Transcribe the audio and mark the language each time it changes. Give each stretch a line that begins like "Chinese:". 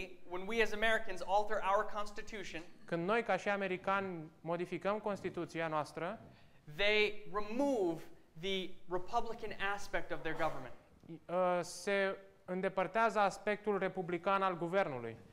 English: when we as Americans alter our constitution,
Romanian: când noi ca și americani modificăm constituția noastră,
English: they remove the republican aspect of their government.
Romanian: Se îndepărtează aspectul republican al guvernului.